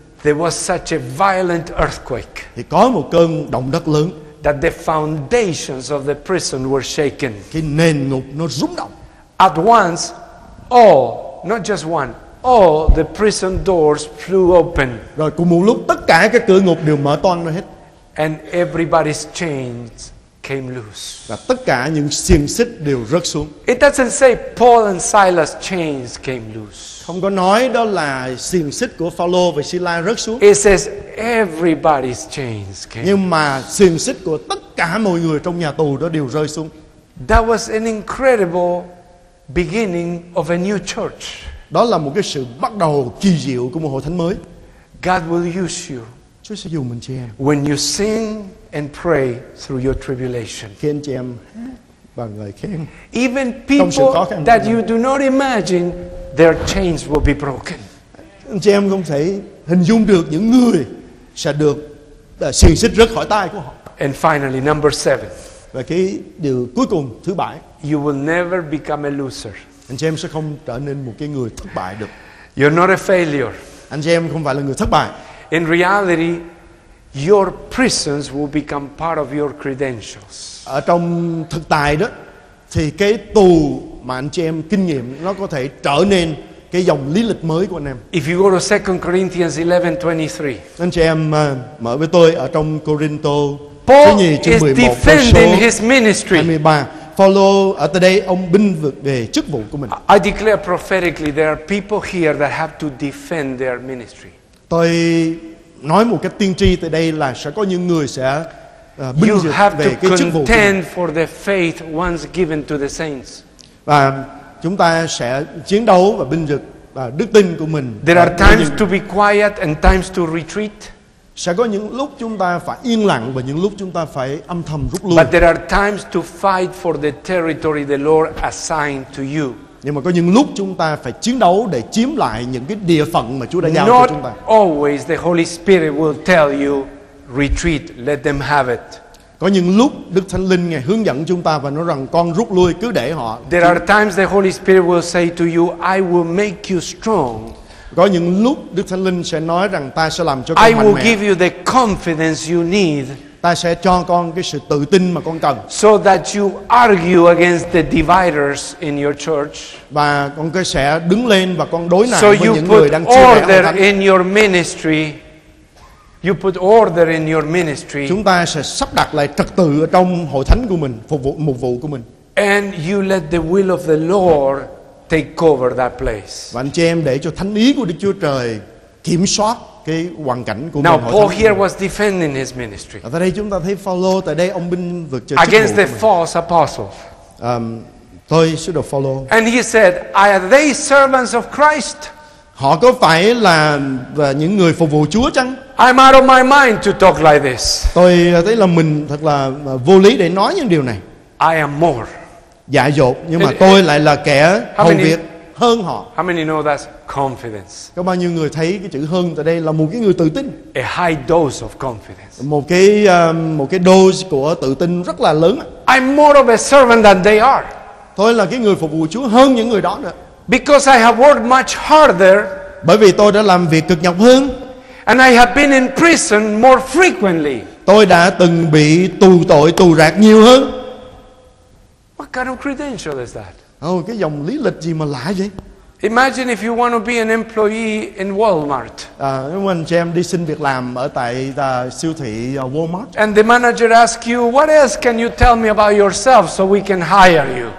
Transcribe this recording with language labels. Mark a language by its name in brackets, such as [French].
[English] There was such a violent earthquake. [Vietnamese] Thì có một cơn động đất lớn. [English] That the foundations of the prison were shaken. [Vietnamese] Cái nền ngục nó rung động. [English] At once, all, not just one, all the prison doors flew open. [Vietnamese] Rồi cùng một lúc tất cả các cửa ngục đều mở toang ra hết. [English] And everybody's chains came loose. [Vietnamese] Và tất cả những xiềng xích đều rớt xuống. [English] It doesn't say Paul and Silas' chains came loose. [Vietnamese] Không có nói đó là xiềng xích của Phaolô và Sila rớt xuống. [English] It says everybody's chains came. [Vietnamese] Nhưng mà xiềng xích của tất cả mọi người trong nhà tù đó đều rơi xuống. [English] That was an incredible beginning of a new church. [Vietnamese] Đó là một cái sự bắt đầu kỳ diệu của một hội thánh mới. [English] God will use you. [Vietnamese] Chúa sẽ dùng mình chị em. [English] When you sing and pray through your tribulation. [Vietnamese] Khi anh chị em và ngợi khen. [English] Even people that you do not imagine, their chains will be broken. [Vietnamese] Anh chị em không thể hình dung được những người sẽ được xiềng xích rớt khỏi tay của họ. [English] And finally, number 7. [Vietnamese] Và cái điều cuối cùng thứ bảy, [English] you will never become a loser. [Vietnamese] Anh chị em sẽ không trở nên một cái người thất bại được. [English] You're not a failure. [Vietnamese] Anh chị em không phải là người thất bại. [English] In reality, your presence will become part of your credentials. [Vietnamese] Ở trong thực tại đó, thì cái tù mà anh chị em kinh nghiệm nó có thể trở nên cái dòng lý lịch mới của anh em. [English] If you go to 2 Corinthians 11:23, [Vietnamese] anh chị em mở với tôi ở trong Corinto [English] Paul [Vietnamese] thứ 2 chương 11 [English] defending his ministry. [Vietnamese] 23. Follow ở đây ông binh vực về chức vụ của mình. [English] I declare prophetically there are people here that have to defend their ministry. [Vietnamese] Tôi nói một cách tiên tri tại đây là sẽ có những người sẽ binh vực về cái chức vụ của mình. [English] You have to contend for the faith once given to the saints. [Vietnamese] Và chúng ta sẽ chiến đấu và binh vực và đức tin của mình. [English] There are times to be quiet and times to retreat. [Vietnamese] Sẽ có những lúc chúng ta phải yên lặng và những lúc chúng ta phải âm thầm rút lui. [English] But there are times to fight for the territory the Lord assigned to you. [Vietnamese] Nhưng mà có những lúc chúng ta phải chiến đấu để chiếm lại những cái địa phận mà Chúa đã giao cho chúng ta. [English] Not always the Holy Spirit will tell you retreat, let them have it. [Vietnamese] Có những lúc Đức Thánh Linh ngài hướng dẫn chúng ta và nói rằng con rút lui cứ để họ. [English] There are times the Holy Spirit will say to you, I will make you strong. [Vietnamese] Có những lúc Đức Thánh Linh sẽ nói rằng ta sẽ làm cho con mạnh mẽ. [English] I will give you the confidence you need. [Vietnamese] Ta sẽ cho con cái sự tự tin mà con cần. [English] So that you argue against the dividers in your church. [Vietnamese] Và con cứ sẽ đứng lên và con đối nại [English] so [Vietnamese] với những người đang chia rẽ [English] thánh. In your ministry. You put order in your ministry. [Vietnamese] Chúng ta sẽ sắp đặt lại trật tự ở trong hội thánh của mình, phục vụ mục vụ của mình. [English] And you let the will of the Lord take over that place. [Vietnamese] Và anh chị em để cho thánh ý của Đức Chúa Trời kiểm soát cái hoàn cảnh của [English] Now, [Vietnamese] mình. [English] Now Paul here was defending his ministry. [Vietnamese] Ở đây chúng ta thấy Phaolô tại đây ông binh vực cho [English] Against [Vietnamese] chức vụ [English] the false apostles. [Vietnamese] Tôi sứ đồ Phaolô. [English] And he said, "Are they servants of Christ?" [Vietnamese] Họ có phải là những người phục vụ Chúa chăng? [English] I'm out of my mind to talk like this. [Vietnamese] Tôi thấy là mình thật là vô lý để nói những điều này. [English] I am more. [Vietnamese] Dạ dột, nhưng mà tôi lại là kẻ hầu việc hơn họ. [English] How many know that's confidence? [Vietnamese] Có bao nhiêu người thấy cái chữ hơn tại đây là một cái người tự tin? [English] A high dose of confidence. [Vietnamese] Một cái dose của tự tin rất là lớn. [English] I'm more of a servant than they are. [Vietnamese] Tôi là cái người phục vụ Chúa hơn những người đó nữa. [English] Because I have worked much harder. [Vietnamese] Bởi vì tôi đã làm việc cực nhọc hơn. [English] And I have been in prison more frequently. [Vietnamese] Tôi đã từng bị tù tội, tù rạc nhiều hơn. [English] What kind of credential is that? [Vietnamese] Oh, cái dòng lý lịch gì mà lạ vậy? [English] Imagine if you want to be an employee in Walmart. [Vietnamese] Nếu anh chị em đi xin việc làm ở tại siêu thị Walmart. [English] And the manager asks you, what else can you tell me about yourself so we can hire you?